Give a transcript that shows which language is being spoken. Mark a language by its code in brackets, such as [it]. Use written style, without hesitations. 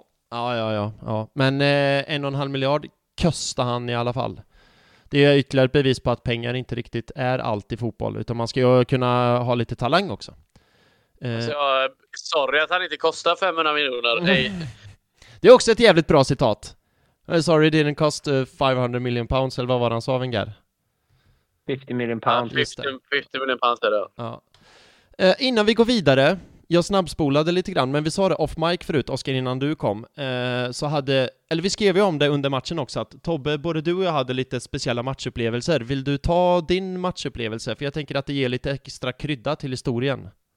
[sv] Ja. Men 1,5 miljard kostar han i alla fall. Det är ytterligare ett bevis på att pengar inte riktigt är allt i fotboll. Utan man ska ju kunna ha lite talang också. Alltså, sorry att han inte kostar 500 miljoner. Nej. Det är också ett jävligt bra citat. [en] Sorry, it didn't cost 500 million pounds. [sv] Eller vad var han sa, Wenger? [en] 50 million pounds. [sv] Ja, [en] 50 million pounds [sv] är det. Ja. Innan vi går vidare. Jag snabbspolade lite grann. Men vi sa det off mic förut, Oskar, innan du kom. Eller vi skrev ju om det under matchen också. Att Tobbe, både du och jag hade lite speciella matchupplevelser. Vill du ta din matchupplevelse? För jag tänker att det ger lite extra krydda till historien.